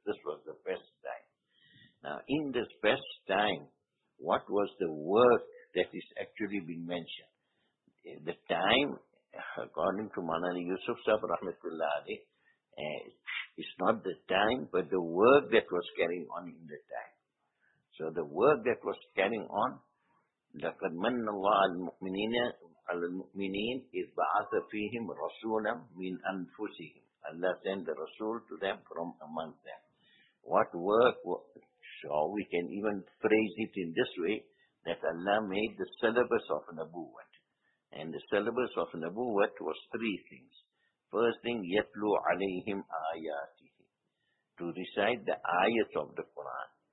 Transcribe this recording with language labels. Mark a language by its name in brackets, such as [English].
[English] This was the best time. Now in this best time, what was the work that is actually being mentioned? The time, according to Maulana Yusuf Sahib rahmatullah alayh, it's not the time, but the work that was carrying on in the time. So the work that was carrying on, [Arabic] لَقَدْ مَنَّ اللَّهَ الْمُؤْمِنِينَ عَلَى الْمُؤْمِنِينَ إِذْ بَعَثَ فِيهِمْ رَسُولًا مِنْ أَنفُسِهِمْ. [English] Allah sent the Rasul to them from among them. What work, so we can even phrase it in this way, that Allah made the syllabus of Nabuwat. And the syllabus of Nabuwat was three things. First thing, yatlu alayhim ayatihi, to recite the ayats of the Quran.